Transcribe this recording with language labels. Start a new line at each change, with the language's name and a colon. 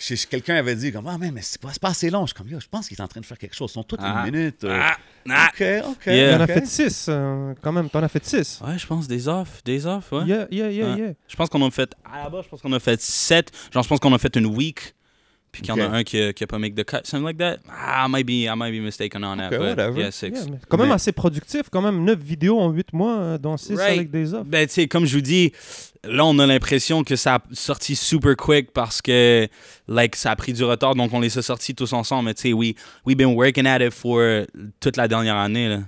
French: Quelqu'un avait dit, comme, mais c'est pas assez long. Je suis comme, yo, je pense qu'il est en train de faire quelque chose. Ils sont toutes une minute. OK. Il y en a fait 6, quand même. T'en as fait 6. Ouais, je pense, des off, ouais.
English: Yeah.
French: Je pense qu'on a fait, là-bas, je pense qu'on a fait 7. Genre, je pense qu'on a fait une week. Puis qu'il y en a un qui a pas
English: make the cut, something like that. I might be mistaken on that, okay, but whatever. Six.
French: Quand même assez productif, quand même 9 vidéos en 8 mois, dont 6 right. avec des offres. Ben, tu sais, comme je vous dis, là, on a l'impression que ça a sorti super quick parce que, like, ça a pris du retard, donc on les a sortis tous ensemble. Mais tu sais,
English: we've been working at it for
French: toute la dernière année, là.